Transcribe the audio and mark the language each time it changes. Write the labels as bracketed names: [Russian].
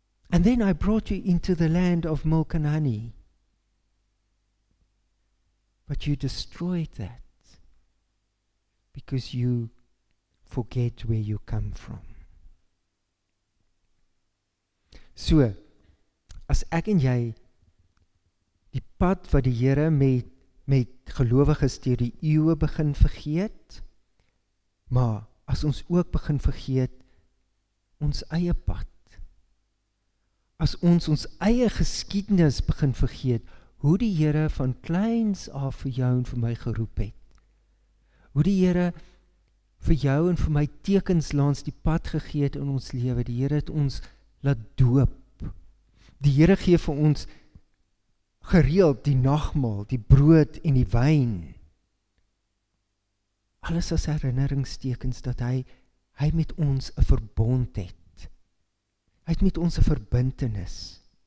[English] And then I brought you into the land of milk and honey. But you destroyed that because you forget where you come from. [Afrikaans] So, as ek en jy die pad wat die Here met gelowiges deur die eeue begin vergeet, maar as ons ook begin vergeet ons eie pad, as ons eie geskiedenis begin vergeet, hoe die Here van kleins af vir jou en vir my geroep het, hoe die Here vir jou en vir my tekens langs die pad gegee het in ons lewe, die Here het ons laat doop, die Here gee vir ons gereeld die nagmaal, die brood en die wyn, alles as herinneringstekens dat hy met ons 'n verbond het, uit met ons verbintenis.